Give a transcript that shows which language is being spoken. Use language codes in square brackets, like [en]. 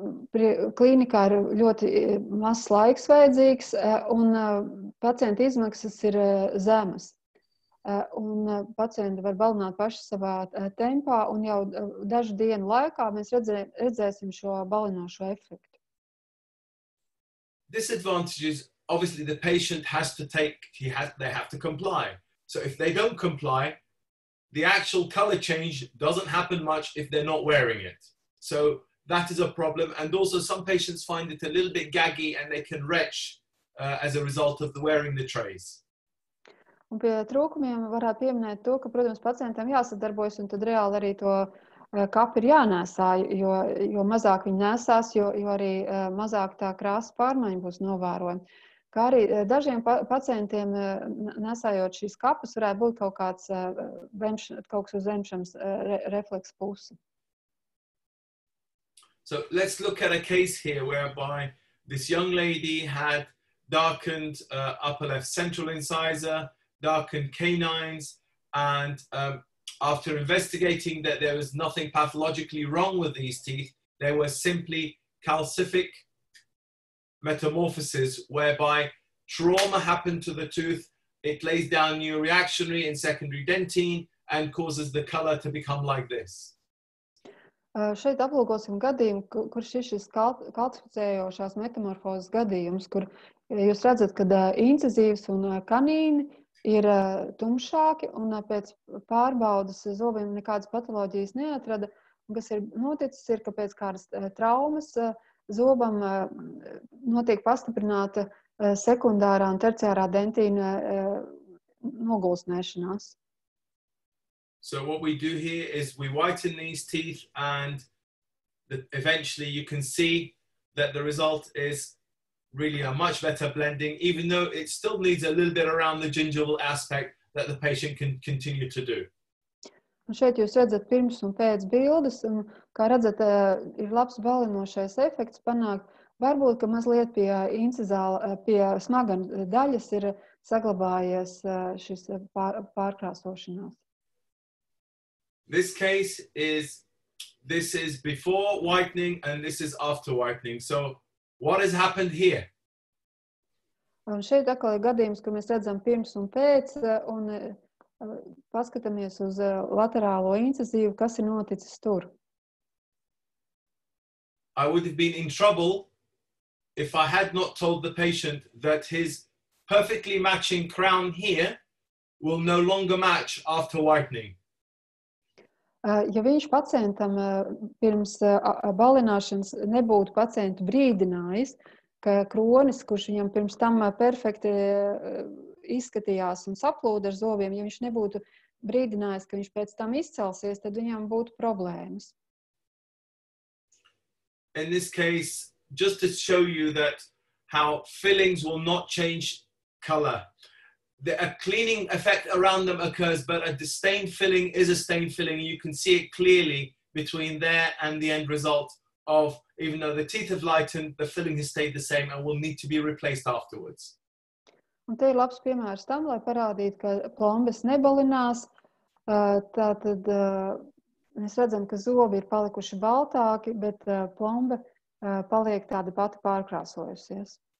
[lv] Klīnikā ir ļoti mazs laiks vajadzīgs, un pacienta izmaksas ir zemas. Un pacienti var balināt paši savā tempā, un jau dažu dienu laikā mēs redzēsim šo balinošo efektu. [en] This advantage is, obviously, the patient has to take, they have to comply. So if they don't comply, the actual color change doesn't happen much if they're not wearing it. So that is a problem. And also some patients find it a little bit gaggy and they can retch as a result of the wearing the trays. [lv] Un pie trūkumiem varētu pieminēt to, ka, protams, pacientam jāsadarbojas un tad reāli arī to kapu ir jānēsā, jo mazāk viņi nēsās, jo arī mazāk tā krāsa pārmaiņa būs novērojama. Kā arī dažiem pacientiem nesājot šīs kapas, varētu būt kaut kāds kaut kas uz zemšanas refleks pusi. [en] So let's look at a case here whereby this young lady had darkened upper left central incisor, darkened canines, and after investigating that there was nothing pathologically wrong with these teeth, there were simply calcific metamorphosis, whereby trauma happened to the tooth, it lays down new reactionary and secondary dentine and causes the color to become like this. [lv] Šeit aplūkosim gadījumu, kur šis kalcificējošās metamorfozes gadījums, kur jūs redzat, ka incizīvs un kanīni ir tumšāki un pēc pārbaudas zobiem nekādas patoloģijas neatrada. Un kas ir noticis, ir, ka pēc kādas traumas zobam notiek pastiprināta sekundārā un terciārā dentīna nogulsnēšanās. [en] So what we do here is we whiten these teeth and eventually you can see that the result is really a much better blending, even though it still needs a little bit around the gingival aspect that the patient can continue to do. [lv] Un šeit jūs redzat pirms un pēc bildes, un kā redzat, ir labs balinošais efekts panākt, Varbūt, ka mazliet pie incizāla, pie smagana daļas ir saglabājies šis pārkrāsošanās. [en] This case is, this is before whitening and this is after whitening. So, what has happened here? [lv] Un šeit atkal ir gadījums, ka mēs redzam pirms un pēc, un paskatāmies uz laterālo incizīvu, kas ir noticis tur. [en] I would have been in trouble if I had not told the patient that his perfectly matching crown here will no longer match after whitening. [lv] Ja viņš pacientam pirms balināšanas nebūtu pacientu brīdinājis, ka kronis, kurš viņam pirms tam perfekti izskatījās un saplūda ar zobiem, ja viņš nebūtu brīdinājis, ka viņš pēc tam izcelsies, tad viņam būtu problēmas. [en] In this case, just to show you that how fillings will not change color. A cleaning effect around them occurs, but a stained filling is a stained filling. You can see it clearly between there and the end result of, even though the teeth have lightened, the filling has stayed the same and will need to be replaced afterwards. [lv] Un te ir labs piemērs tam, lai parādītu, ka plombes nebalinās. Tātad mēs redzam, ka zobi ir palikuši baltāki, bet plombe paliek tāda pati pārkrāsojusies.